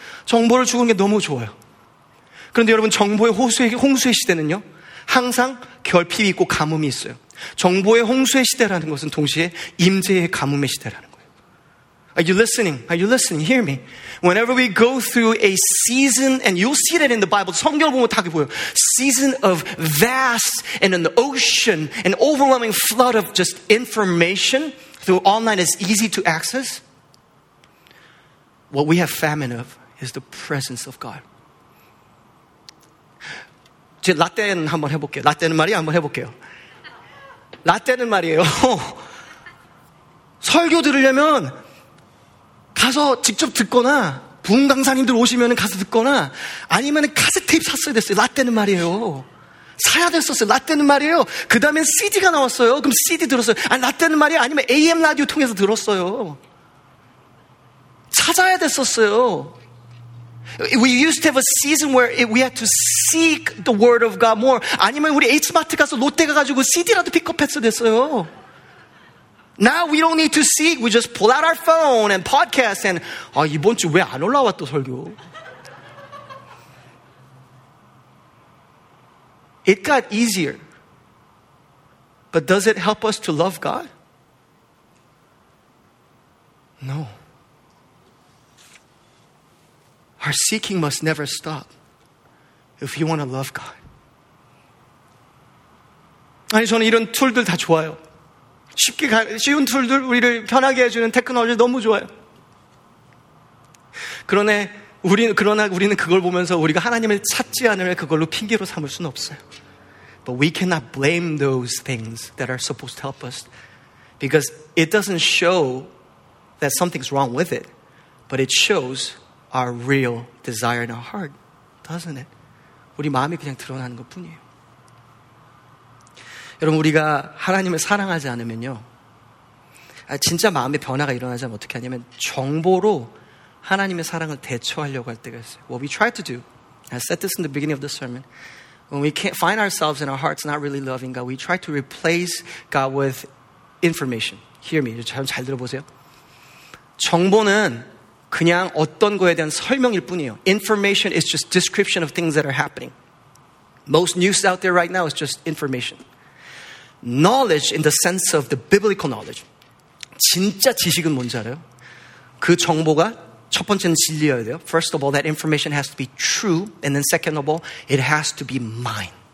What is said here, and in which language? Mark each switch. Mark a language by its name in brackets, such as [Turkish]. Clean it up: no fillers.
[Korean] 정보를 주는 게 너무 좋아요. 그런데 여러분 정보의 홍수의 시대는요. 항상 결핍이 있고 가뭄이 있어요. 정보의 홍수의 시대라는 것은 동시에 임재의 가뭄의 시대라는 거예요. [English] Are you listening? Are you listening? Hear me. Whenever we go through a season, and you'll see that in the Bible, [Korean] 성경을 보면 다 보여요. [English] Season of vast and an ocean, an overwhelming flood of just information through online is easy to access. What we have famine of is the presence of God. [Korean] 제 라떼는 한번 해볼게요. 라떼는 말이야 한번 해볼게요. 라떼는 말이에요. 설교 들으려면 가서 직접 듣거나 부흥 강사님들 오시면 가서 듣거나 아니면 카세트테이프 샀어야 됐어요. 라떼는 말이에요. 사야 됐었어요. 라떼는 말이에요. 그 다음에 CD가 나왔어요. 그럼 CD 들었어요. 아니 라떼는 말이에요. 아니면 AM 라디오 통해서 들었어요. 찾아야 됐었어요. [English] We used to have a season where we had to seek the word of God more. [Korean] 아니면 우리 H마트 가서 롯데 가가지고 CD라도 픽업했어야 됐어요. [English] Now we don't need to seek. We just pull out our phone and podcast and [Korean] 아 이번 주 왜 안 올라왔어 설교? [English] It got easier. But does it help us to love God? No. Our seeking must never stop if you want to love God. [Korean] 아니 저는 이런 툴들 다 좋아요. 쉬운 툴들 우리를 편하게 해주는 테크놀로지 너무 좋아요. 그러나 우리는 그걸 보면서 우리가 하나님을 찾지 않을 그걸로 핑계로 삼을 수는 없어요. [English] But we cannot blame those things that are supposed to help us because it doesn't show that something's wrong with it, but it shows our real desire in our heart, doesn't it? [Korean] 우리 마음이 그냥 드러나는 것뿐이에요. 여러분 우리가 하나님을 사랑하지 않으면요 진짜 마음의 변화가 일어나자면 어떻게 하냐면 정보로 하나님의 사랑을 대처하려고 할 때가 있어요. [English] What we try to do, I said this in the beginning of the sermon, when we can't find ourselves in our hearts not really loving God, we try to replace God with information. Hear me, [Korean] 잘 들어보세요. 정보는 그냥 어떤 거에 대한 설명일 뿐이에요. [English] Information is just description of things that are happening. Most news out there right now is just information. Knowledge in the sense of the biblical knowledge. [Korean] 진짜 지식은 뭔지 알아요? 그 정보가 첫 번째는 진리여야 돼요. [English] First of all, that information has to be true. And then second of all, it has to be mine.